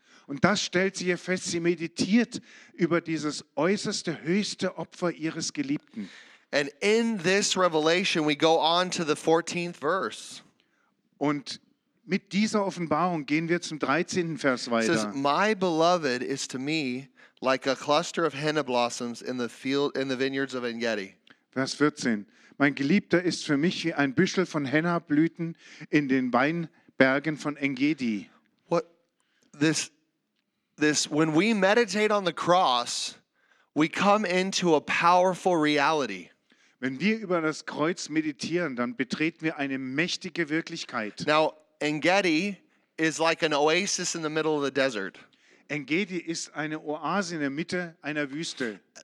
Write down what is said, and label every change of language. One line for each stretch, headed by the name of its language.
German: Und das stellt sie hier fest, sie meditiert über dieses äußerste, höchste Opfer ihres Geliebten.
English: And in this revelation we go on to the 14th verse.
German: Und mit dieser Offenbarung gehen wir zum 13. Vers weiter.
English: It says, my beloved is to me like a cluster of henna blossoms in the field in the vineyards of En-Gedi.
German: Vers 14. Mein Geliebter ist für mich wie ein Büschel von Henna-Blüten in den Weinbergen von En-Gedi.
English: What this when we meditate on the cross we come into a powerful reality.
German: Wenn wir über das Kreuz meditieren, dann betreten wir eine mächtige Wirklichkeit.
English: Now En-Gedi is like an oasis in the middle of the desert.
German: En-Gedi ist eine Oase in der Mitte einer Wüste.